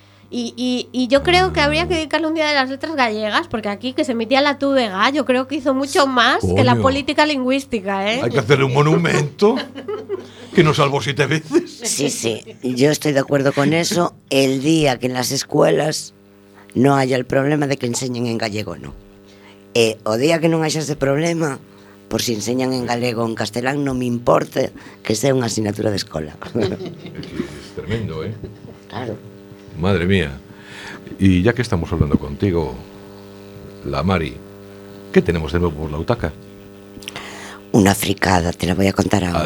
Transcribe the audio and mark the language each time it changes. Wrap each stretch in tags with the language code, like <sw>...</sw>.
<es>Y yo creo que habría que dedicarle un día de las letras gallegas, porque aquí que se emitía la Tudega, yo creo que hizo mucho más que la política lingüística, ¿eh? Hay que hacerle un monumento que nos salvó 7 veces. Sí, yo estoy de acuerdo con eso. El día que en las escuelas no haya el problema de que enseñen en gallego, no.</es> <gl>O día que non haxa ese problema, por si enseñan en galego ou en castelán, non me importe que sea unha asignatura de escola.</gl> <es>Es tremendo, ¿eh? Claro. Madre mía. Y ya que estamos hablando contigo, la Mari, ¿qué tenemos de nuevo por la butaca? Una fricada, te la voy a contar ahora.</es>